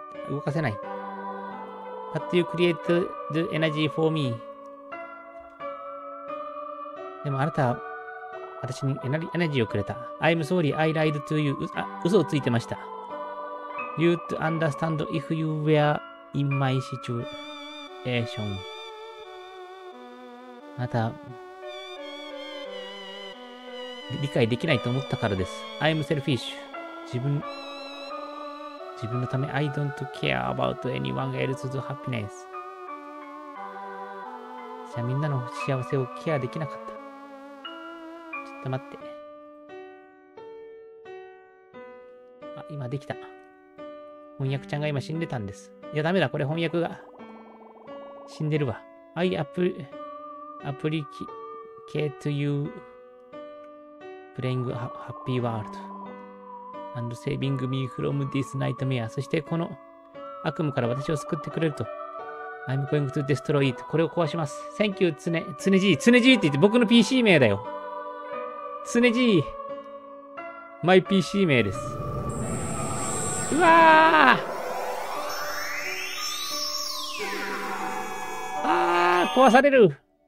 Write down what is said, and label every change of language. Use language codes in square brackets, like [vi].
[ja] 動かせない。 [en] But you create the energy for me. [ja] でもあなたは私にエナジーをくれた。 [en] I'm sorry, I lied to you. [ja] 嘘をついてました。 [en] You'd understand if you were in my situation. [ja] あなた、理解できないと思ったからです。 [en] I'm selfish. [ja] 自分のため、 [en] I don't care about anyone else's happiness. [ja] 私はみんなの幸せをケアできなかった。ちょっと待って。あ、今できた。翻訳ちゃんが今死んでたんです。いやダメだ、これ翻訳が死んでるわ。 [en] I applicate you playing happy world and saving me from this nightmare. [ja] そしてこの悪夢から私を救ってくれると。 [en] I'm going to destroy it. [ja] これを壊します。 [en] Thank you [ja] つね、つねじい、つねじいって言って僕の PC 名だよ。つねじい、 [en] My PC [ja] 名です。うわあ、ああ、壊される。